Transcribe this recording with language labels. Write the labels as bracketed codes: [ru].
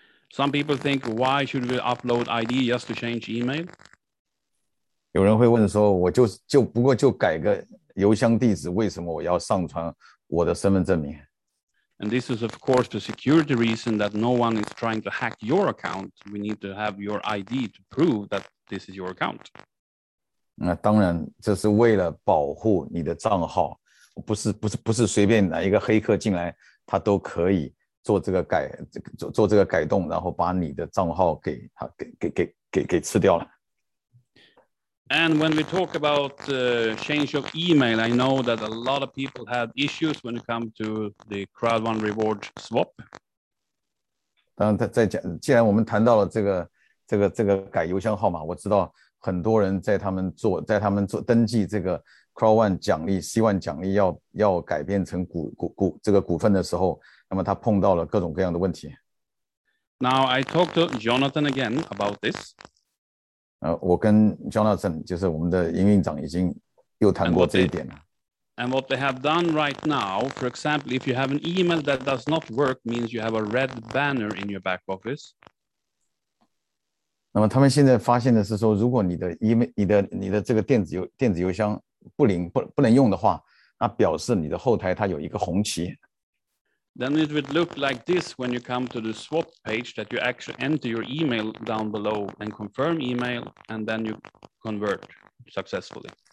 [en] Some people think, why should we upload ID just to change email? [zh] 有人会问说，我就不过就改个邮箱地址，为什么我要上传我的身份证明？ [en] And this is of course the security reason that no one is trying to hack your account. We need to have your ID to prove that this is your account. [zh] 那当然，这是为了保护你的账号。不是随便哪一个黑客进来，他都可以做这个改动，然后把你的账号给吃掉了。 [en] And when we talk about change of email, I know that a lot of people had issues when it comes to the CrowdOne Reward Swap. [zh] 当他在讲，既然我们谈到了这个改邮箱号码，我知道很多人在他们做登记这个 CrowdOne 奖励 C1 奖励要改变成股份的时候，那么他碰到了各种各样的问题。 [en] Now I talked to Jonathan again about this. [zh] 我跟 Jonathan 就是我们的营运长已经又谈过这一点了。 [en] And what they have done right now, for example, if you have an email that does not work, means you have a red banner in your back office. [zh] 那么他们现在发现的是说，如果你的 email、你的这个电子邮箱不能用的话，那表示你的后台它有一个红旗。 [en] Then it would look like this when you come to the swap page that you actually enter your email down below and confirm email and then you convert successfully.